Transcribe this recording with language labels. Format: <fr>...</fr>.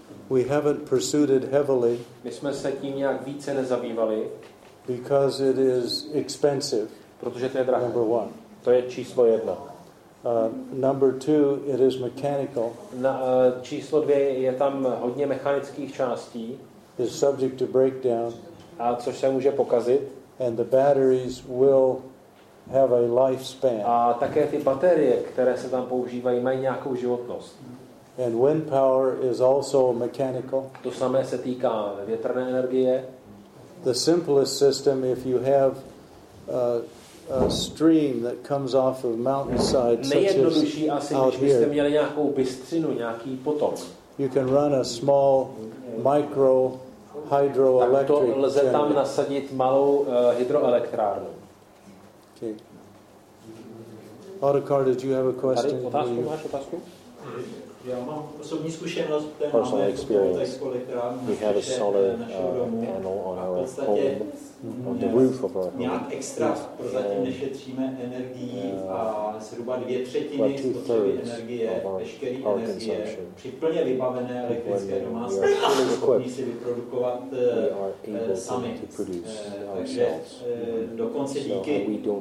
<en>We haven't pursued it heavily.</en> <cs>My jsme se tím nějak více nezabývali.</cs> <en>Because it is expensive.</en> <cs>Protože to je drahé.</cs> <en>Number one.</en> <cs>To je číslo jedna.</cs> <en>Number two, it is mechanical.</en> <cs>Číslo dvě, je tam hodně mechanických částí.</cs> <en>Is subject to breakdown.</en> <cs>A což se může pokazit.</cs> <en>And the batteries will have a lifespan.</en> <cs>A také ty baterie, které se tam používají, mají nějakou životnost.</cs> <en>And wind power is also mechanical.</en> <cs>To samé se týká větrné energie.</cs> <en>The simplest system, if you have a stream that comes off of mountainside,</en> <cs>nejjednodušší asi, když byste měli nějakou bystřinu, nějaký potok.</cs> <en>You can run a small micro hydroelectric.</en> <cs>Tak to lze tam nasadit malou hydroelektrárnu.</cs> <en>Okay. Autocar, did you have a question?</en> <cs>Tady otázku, máš otázku? Já mám osobní zkušenost, které máme v elektrárně.</cs> <en>We have a solar panel on our home. On the roof of our home.</en> <cs>Nějak extra, prozatím nešetříme energií a zhruba dvě třetiny spotřeby energie, veškerý energie, při plně vybavené elektrické domácnosti, jsme schopni si vyprodukovat sami. Takže dokonce díky</cs>